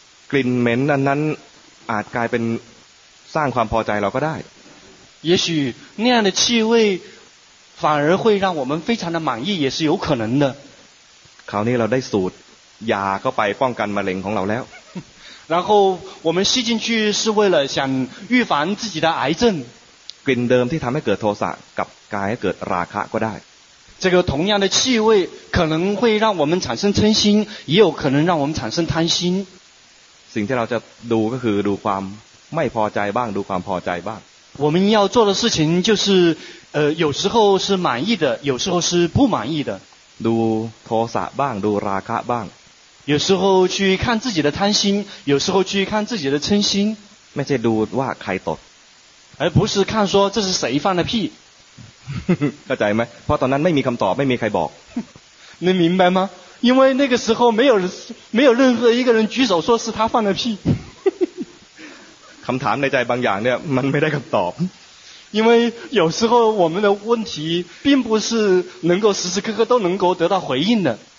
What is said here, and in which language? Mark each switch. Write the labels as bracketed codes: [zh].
[th] กลิ่นเหม็นนั้นอาจกลายเป็นสร้างความพอใจเราก็ได้ [zh] 也许那样的气味反而会让我们非常的满意也是有可能的 [th] คราวนี้เราได้สูตรยาเข้าไปป้องกันมะเร็งของเราแล้ว [zh] 然后我们吸进去是为了想预防自己的癌症 [th] กลิ่นเดิมที่ทำให้เกิดโทสะกับกลายให้เกิดราคะก็ได้ [zh] 这个同样的气味可能会让我们产生嗔心也有可能让我们产生贪心 [th] สิ่งที่เราจะดูก็คือดูความไม่พอใจบ้างดูความพอใจบ้าง [zh] 我们要做的事情就是有时候是满意的有时候是不满意的 [th] ดูโทสะบ้างดูราคะบ้าง [zh] 有时候去看自己的贪心有时候去看自己的嗔心 [th] ไม่ใช่ดูว่าใครตด [zh] 而不是看说这是谁放的屁 [th] เข้าใจไหมเพราะตอนนั้นไม่มีคำตอบไม่มีใครบอก [zh] 你明白吗因为那个时候没有任何一个人举手说是他放的屁 [th] คำถามในใจบางอย่างเนี่ยมันไม่ได้คำตอบ [zh] 因为有时候我们的问题并不是能够时时刻刻都能够得到回应的